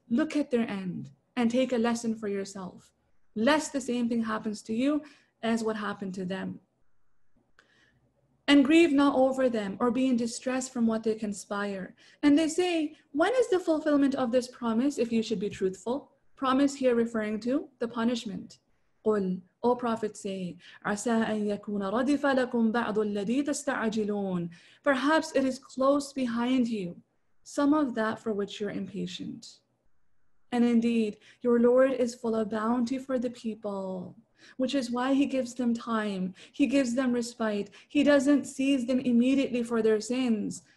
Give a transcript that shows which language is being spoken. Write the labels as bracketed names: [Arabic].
[English] Look at their end, and take a lesson for yourself. Lest the same thing happens to you as what happened to them. And grieve not over them or be in distress from what they conspire. And they say, when is the fulfillment of this promise, if you should be truthful? Promise here referring to the punishment. Qul, O Prophet, say, [Arabic] عَسَىٰ أَن يَكُونَ رَدِفَ لَكُمْ بَعْضُ الَّذِي تَسْتَعَجِلُونَ. [English] Perhaps it is close behind you, some of that for which you're impatient. And indeed, your Lord is full of bounty for the people, which is why he gives them time. He gives them respite. He doesn't seize them immediately for their sins.